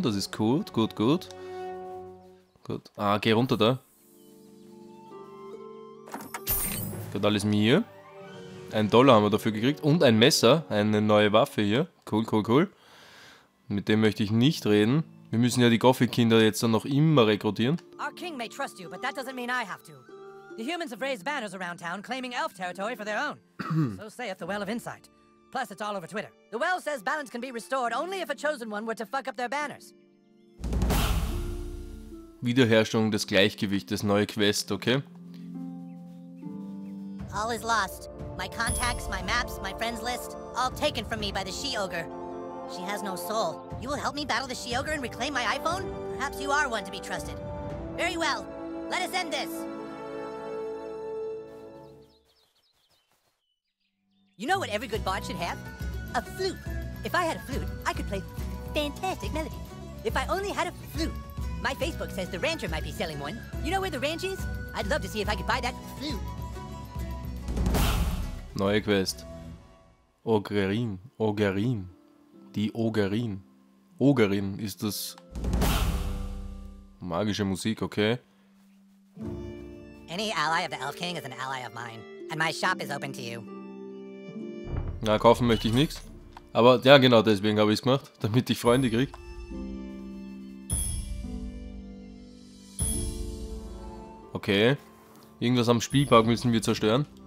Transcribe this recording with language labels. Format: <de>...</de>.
<de>Das ist gut, gut, gut. Gut. Ah, geh runter da. Gut, alles mir. Ein Dollar haben wir dafür gekriegt. Und ein Messer. Eine neue Waffe hier. Cool, cool, cool. Mit dem möchte ich nicht reden. Wir müssen ja die Goffi-Kinder jetzt dann noch immer rekrutieren.</de> <en>Our king may trust you, but that doesn't mean I have to. The humans have raised banners around town, claiming elf territory for their own. So saith the Well of Insight. Plus, it's all over Twitter. The well says balance can be restored only if a chosen one were to fuck up their banners.</en> <de>Wiederherstellung des Gleichgewichtes, neue Quest, okay?</de> <en>All is lost. My contacts, my maps, my friends list, all taken from me by the She-Ogre. She has no soul. You will help me battle the She-Ogre and reclaim my iPhone? Perhaps you are one to be trusted. Very well. Let us end this. You know what every good bard should have? A flute. If I had a flute, I could play fantastic melody. If I only had a flute. My Facebook says the rancher might be selling one. You know where the ranch is? I'd love to see if I could buy that flute.</en> <de>Neue Quest. Ogerin. Ogerin. Die Ogerin. Ogerin ist das... Magische Musik, okay.</de> <en>Any ally of the Elf King is an ally of mine. And my shop is open to you.</en> <de>Na, kaufen möchte ich nichts. Aber ja, genau deswegen habe ich es gemacht, damit ich Freunde krieg. Okay. Irgendwas am Spielpark müssen wir zerstören.</de>